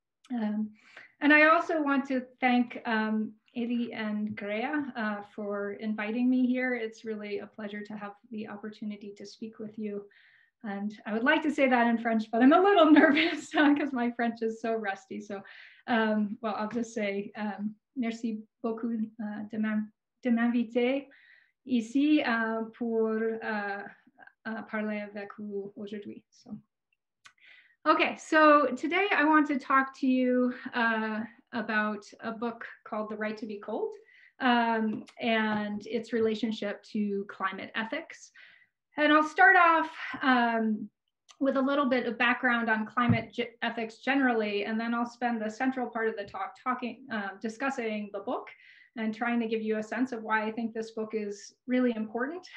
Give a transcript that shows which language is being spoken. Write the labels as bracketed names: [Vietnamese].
[English] And I also want to thank Eddie and GRÉEA for inviting me here. It's really a pleasure to have the opportunity to speak with you. And I would like to say that in French, but I'm a little nervous because my French is so rusty. So, well, I'll just say [French] merci beaucoup de m'inviter ici pour parler avec vous aujourd'hui. [English] So, okay, so today I want to talk to you about a book called The Right to be Cold and its relationship to climate ethics. And I'll start off with a little bit of background on climate ethics generally, and then I'll spend the central part of the talk talking, discussing the book and trying to give you a sense of why I think this book is really important.